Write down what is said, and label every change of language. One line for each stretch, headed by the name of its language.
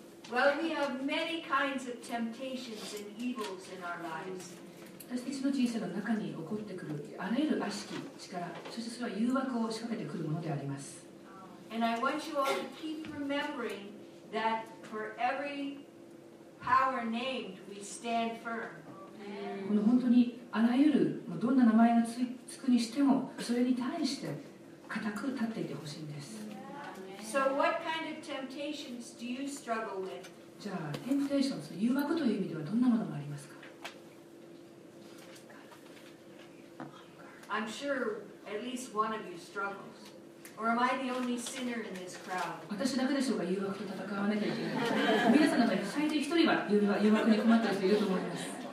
English: Well, we have many kinds of temptations and evils in our lives.
Japanese: 私たちの人生の中に起こってくるあらゆる悪しき力、そしてそれは誘惑を仕掛けてくるものであります。
English: And I want you all to keep remembering that for every power named, we stand firm.
Japanese: この本当にあらゆるどんな名前がつくにしてもそれに対して固く立っていてほしいんです。
English: So what kind of temptations do you struggle with?
Japanese: じゃあテンプテーション、誘惑という意味ではどんなものがありますか。
English: I'm sure at least one of you struggles. Or am I the only sinner in this crowd?
Japanese: 私だけでしょうか、誘惑と戦わなきゃいけない。皆さんの中で最低一人は誘惑に困った人いると思います。